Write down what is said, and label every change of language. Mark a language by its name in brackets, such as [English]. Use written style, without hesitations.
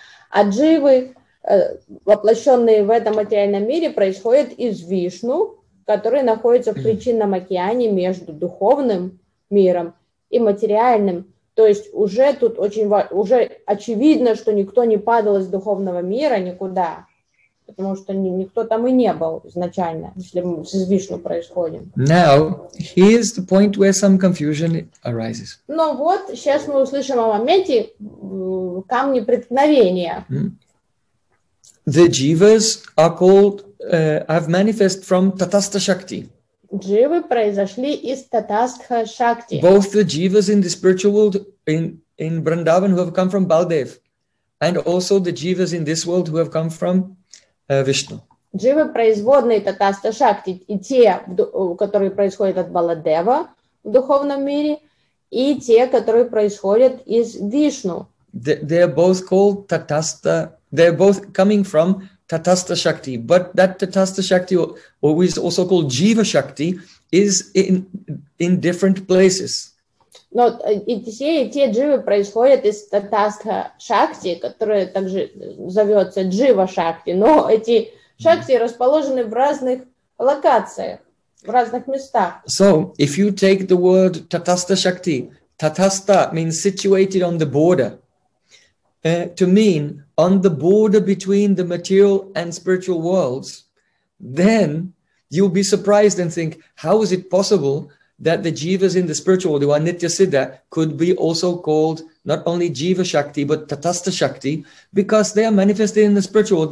[Russian] А дживы, воплощенные в этом материальном мире, происходят из Вишну, который находится в причинном океане между духовным миром и материальным. То есть уже тут очень уже очевидно, что никто не падал из духовного мира никуда, потому что никто там и не был изначально, если мы с Вишну происходим. [English] Now, here's the point where some confusion arises. [Russian] Но вот сейчас мы услышим о моменте камни преткновения. [English] The jivas are called have manifest from tatastha shakti. [Russian] Дживы произошли из татастха шакти. [English] Both the jivas in the spiritual world in Vrindavan who have come from Baldev, and also the jivas in this world who have come from Vishnu. [Russian] Дживы производные татастха шакти, и те, которые происходят от Баладева в духовном мире, и те, которые происходят из Вишну. [English] They are both called татастха. They are both coming from tatastha shakti, but that tatastha shakti, or is also called jiva shakti, is in different places. [Russian] Но и те дживы происходят из татастха шакти, которая также зовется джива шакти. Но эти шакти расположены в разных локациях, в разных местах. [English] So, if you take the word tatastha shakti, tatastha means situated on the border. To mean on the border between the material and spiritual worlds, then you'll be surprised and think, how is it possible that the jivas in the spiritual world, who are nitya siddha, could be also called not only jiva shakti, but tatastha shakti, because they are manifested in the spiritual world.